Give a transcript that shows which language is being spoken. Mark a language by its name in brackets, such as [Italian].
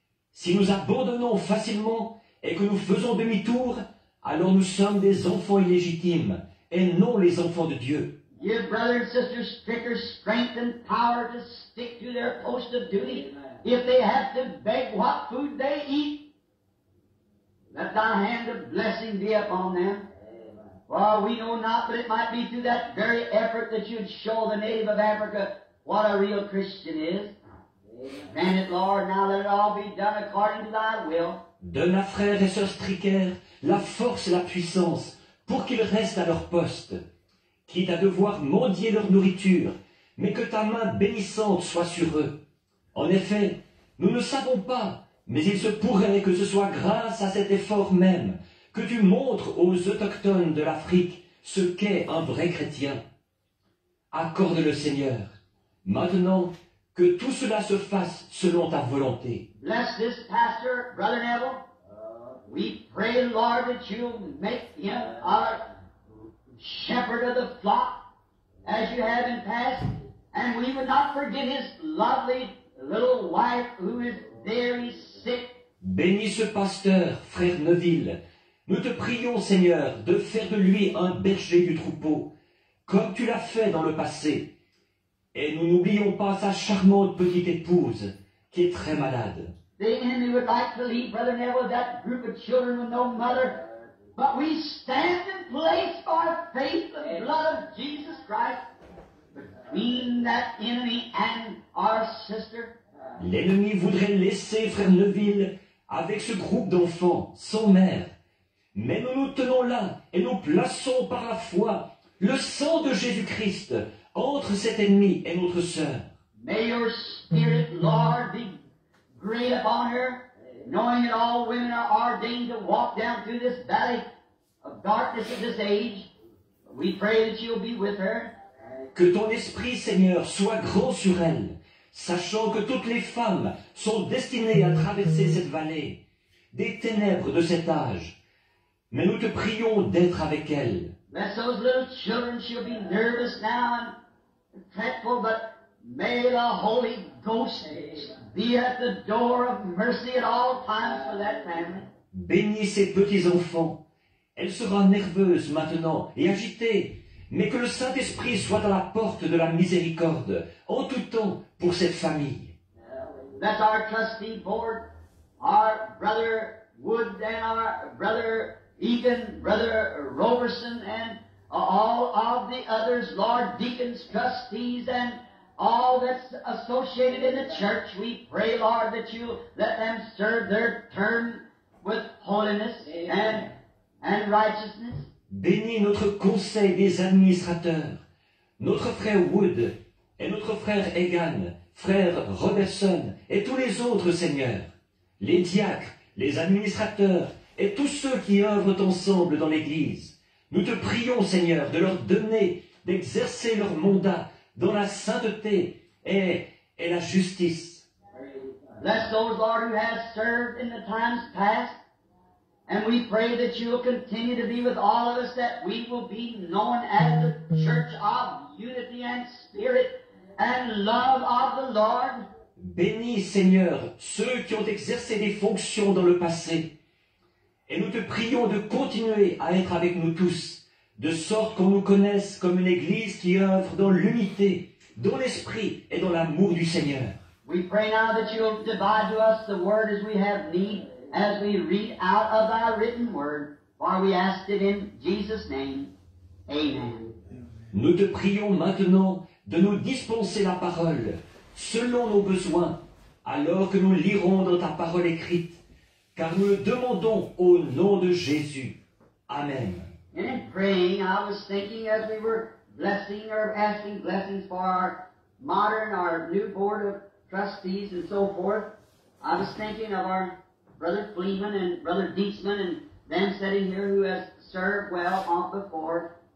[French] Si nous abandonnons facilement et que nous faisons demi-tour, alors nous sommes des enfants illégitimes et non les enfants de Dieu. [English] Give brothers and sisters Stricker strength and power to stick to their post of duty. If they have to beg what food they eat, let thy hand of blessing be upon them. For we know not, but it might be through that very effort that you'd show the native of Africa what a real Christian is. Grant it, Lord, now let it all be done according to thy will. [French] Donne à frères et sœurs Stricker la force et la puissance pour qu'ils restent à leur poste, quitte à devoir mendier leur nourriture, mais que ta main bénissante soit sur eux. En effet, nous ne savons pas, mais il se pourrait que ce soit grâce à cet effort même que tu montres aux autochtones de l'Afrique ce qu'est un vrai chrétien. Accorde le Seigneur, maintenant, que tout cela se fasse selon ta volonté. [English] Bless this pastor, Brother Neville. We pray, Lord, that you'll make him our shepherd of the flock, as you have in past, and we would not forget his lovely little wife who is very sick. [French] Béni ce pasteur, frère Neville. Nous te prions, Seigneur, de faire de lui un berger du troupeau, comme tu l'as fait dans le passé. Et nous n'oublions pas sa charmante petite épouse, qui est très malade. [English] The enemy would like to leave Brother Neville, that group of children with no mother. But we stand in place by faith and blood of Jesus Christ between that enemy and our sister. [French] L'ennemi voudrait laisser frère Neville avec ce groupe d'enfants, sans mère. Mais nous nous tenons là et nous plaçons par la foi le sang de Jésus-Christ entre cet ennemi et notre sœur. [English] May your spirit, Lord, be great upon her, knowing that all women are ordained to walk down through this valley of darkness of this age. We pray that you'll be with her. [French] Que ton esprit, Seigneur, soit grand sur elle, sachant que toutes les femmes sont destinées à traverser cette vallée des ténèbres de cet âge. Mais nous te prions d'être avec elle. [English] Bless those little children, she'll be nervous now and fretful, but may the Holy Ghost be at the door of mercy at all times for that family. [French] Bénis ces petits enfants. Elle sera nerveuse maintenant et agitée, mais que le Saint-Esprit soit à la porte de la miséricorde en tout temps pour cette famille. [English] Bless our trustee board, our brother Wood and our brother Egan, Brother Roberson, and all of the others, Lord deacons, trustees, and all that's associated in the church, we pray, Lord, that you let them serve their term with holiness and righteousness. [French] Bénis notre conseil des administrateurs, notre frère Wood et notre frère Egan, frère Robertson et tous les autres, Seigneur, les diacres, les administrateurs, et tous ceux qui œuvrent ensemble dans l'Église. Nous te prions, Seigneur, de leur donner d'exercer leur mandat dans la sainteté et la justice. [English] Bless those, Lord, who have served in the times past, and we pray that you will continue to be with all of us, that we will be known as the church of unity and spirit and love of the Lord. [French] Bénis, Seigneur, ceux qui ont exercé des fonctions dans le passé. Et nous te prions de continuer à être avec nous tous, de sorte qu'on nous connaisse comme une Église qui œuvre dans l'unité, dans l'esprit et dans l'amour du Seigneur. [English] We pray now that you will divide to us the word as we have need, as we read out of thy written word, for we ask it in Jesus' name. Amen. [French] Nous te prions maintenant de nous dispenser la parole selon nos besoins, alors que nous lirons dans ta parole écrite. Car nous le demandons au nom de Jésus. Amen. [English] And in praying, I was thinking as we were blessing or asking blessings for our modern, our new board of trustees and so forth, I was thinking of our brother Fleeman and brother Dietzman and them sitting here who has served well on before.